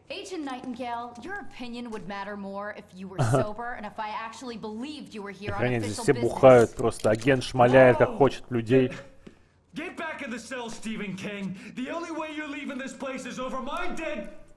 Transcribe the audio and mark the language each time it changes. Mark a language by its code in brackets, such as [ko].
[en] Agent Nightingale, your opinion would matter more if you were sober and if I actually believed you were here on official business. [ru] Все бухают просто. Агент шмаляет, как хочет людей. [en] Get back in the cell, Stephen King. The only way you're leaving this place is over my dead.